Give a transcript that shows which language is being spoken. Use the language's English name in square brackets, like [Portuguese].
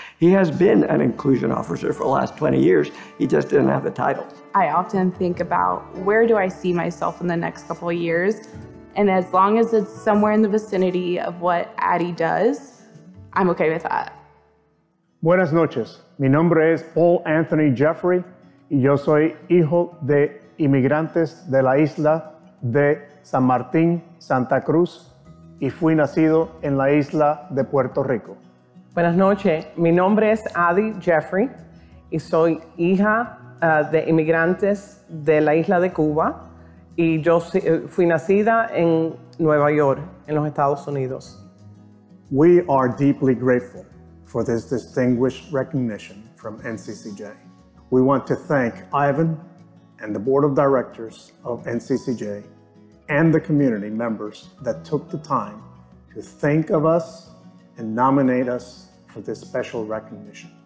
[English] He has been an inclusion officer for the last 20 years. He just didn't have the title. I often think about, where do I see myself in the next couple of years? And as long as it's somewhere in the vicinity of what Addy does, I'm okay with that. [Spanish] Buenas noches. Mi nombre es Paul Anthony Jeffrey. Yo soy hijo de inmigrantes de la isla de San Martín, Santa Cruz, y fui nacido en la isla de Puerto Rico. Buenas noches, mi nombre es Addy Jeffrey, y soy hija de inmigrantes de la isla de Cuba, y yo fui nacida en Nueva York, en los Estados Unidos. [English] We are deeply grateful for this distinguished recognition from NCCJ. We want to thank Ivan and the board of directors of NCCJ and the community members that took the time to think of us and nominate us for this special recognition.